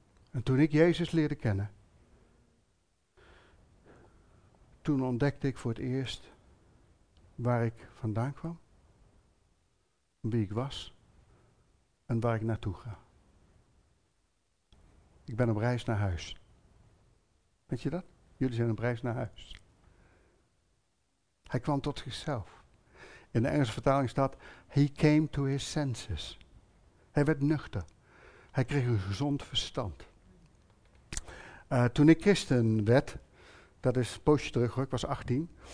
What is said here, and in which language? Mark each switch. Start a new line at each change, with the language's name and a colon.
Dutch: En toen ik Jezus leerde kennen, toen ontdekte ik voor het eerst waar ik vandaan kwam, wie ik was en waar ik naartoe ga. Ik ben op reis naar huis. Weet je dat? Jullie zijn op reis naar huis. Hij kwam tot zichzelf. In de Engelse vertaling staat,
English: he came to his senses.
Dutch: Hij werd nuchter. Hij kreeg een gezond verstand. Toen ik christen werd, dat is een poosje terug hoor, ik was 18.